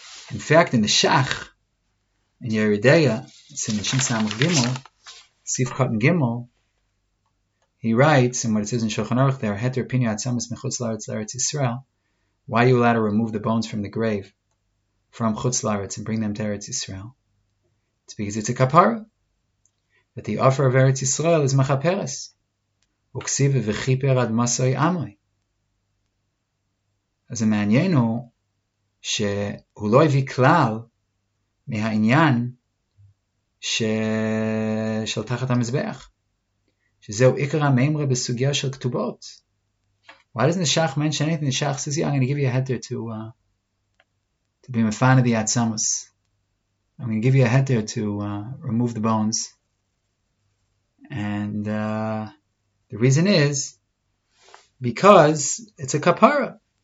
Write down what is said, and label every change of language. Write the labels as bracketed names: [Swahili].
[English] In fact, in the Shach, in Yerideya, it's in the Shin Samuch Gimel, Sif Kotten Gimel, he writes, and what it says in Shulchan Aruch there, [Hebrew] Heter Pinyo Atzamas Mechutz Laretz Laretz Yisrael, [English] why are you allowed to remove the bones from the grave, from Chutz Laretz, and bring them to Eretz Yisrael? It's because it's a kapara, that the offer of Eretz Yisrael is Machaperes. [Hebrew] Uksiv V'chiper Ad Masoi Amoi. אז המעניין הוא שהוא לא הביא כלל מהעניין של תחת המזבח. שזהו עיקר המאמרה בסוגיה של כתובות. [English] Why doesn't the Shach mention anything? The Shach says, yeah, I'm going to give you a heter to be a fan of the Atzamos. I'm going to give you a heter to remove the bones. And the reason is because it's a kapara.